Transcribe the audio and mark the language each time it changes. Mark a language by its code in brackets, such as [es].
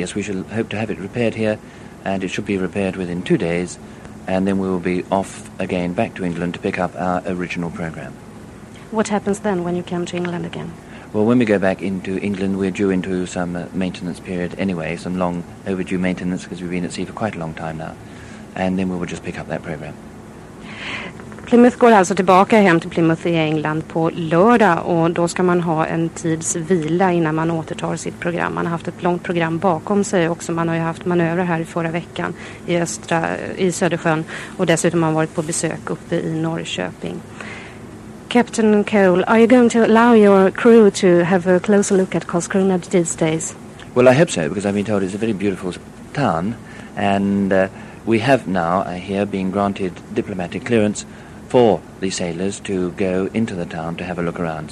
[en] Yes, we shall hope to have it repaired here and it should be repaired within 2 days and then we will be off again back to England to pick up our original program. What happens then when you come to England again? Well, when we go back into England, we're due into some maintenance period anyway, some long overdue maintenance because we've been at sea for quite a long time now, and then we will just pick up that program. [sv] Plymouth går alltså tillbaka hem till Plymouth i England på lördag och då ska man ha en tids vila innan man återtar sitt program. Man har haft ett långt program bakom sig också. Man har ju haft manövrar här i förra veckan i Södersjön och dessutom har man varit på besök uppe i Norrköping. [en] Captain Cole, are you going to allow your crew to have a closer look at Karlskrona these days? Well, I hope so because I've been told it's a very beautiful town and we have now here been granted diplomatic clearance for the sailors to go into the town to have a look around.